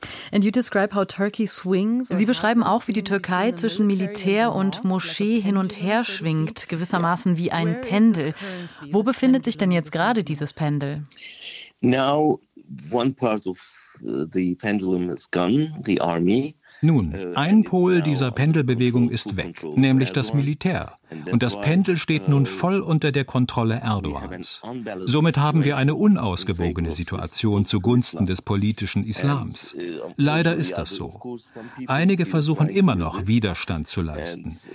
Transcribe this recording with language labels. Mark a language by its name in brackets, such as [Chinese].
[English] And you describe how Turkey swings. [German] Sie beschreiben auch, wie die Türkei zwischen Militär und Moschee hin und her schwingt, gewissermaßen wie ein Pendel. Wo befindet sich denn jetzt gerade dieses Pendel? [English] Now one part of the pendulum is gone, the army. [German] Nun, ein Pol dieser Pendelbewegung ist weg, nämlich das Militär. Und das Pendel steht nun voll unter der Kontrolle Erdogans. Somit haben wir eine unausgewogene Situation zugunsten des politischen Islams. Leider ist das so. Einige versuchen immer noch, Widerstand zu leisten.